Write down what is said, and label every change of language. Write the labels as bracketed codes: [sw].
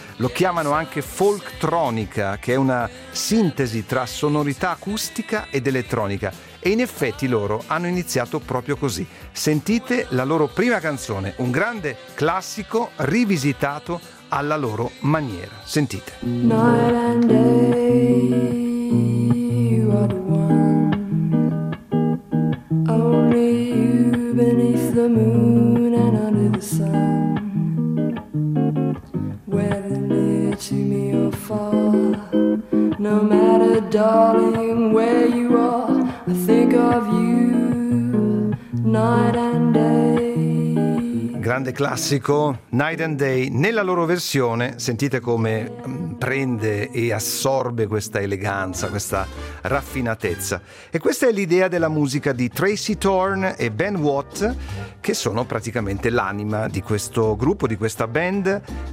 [it] Lo chiamano anche folktronica, che è una sintesi tra sonorità acustica ed elettronica. E in effetti loro hanno iniziato proprio così. Sentite la loro prima canzone, un grande classico rivisitato alla loro maniera. Sentite. [en] Night and day, you are the one. Only you beneath the moon and under the sun. Whether near to me or far, no matter, darling, where you are, I think of you. Night and day. [it] Grande classico, Night and Day, nella loro versione. Sentite come prende e assorbe questa eleganza, questa raffinatezza. E questa è l'idea della musica di Tracy Thorn e Ben Watt, che sono praticamente l'anima di questo gruppo, di questa band.